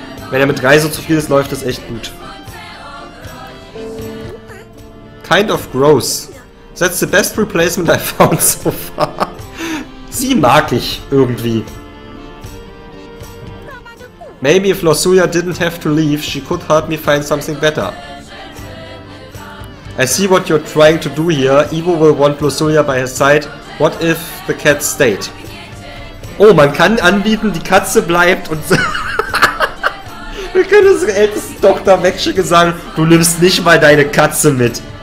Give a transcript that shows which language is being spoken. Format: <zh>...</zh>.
<de>Wenn er mit 3 so zufrieden ist, läuft das echt gut.</de> <en>Kind of gross. That's the best replacement I found so far.</en> <de>Sie mag ich irgendwie.</de> <en>Maybe if Losulia didn't have to leave, she could help me find something better. I see what you're trying to do here. Ivo will want Losulia by his side. What if the cat stayed?</en> <de>Oh, man kann anbieten, die Katze bleibt und... Wir können unsere älteste Tochter wegschicken und sagen, du nimmst nicht mal deine Katze mit.</de>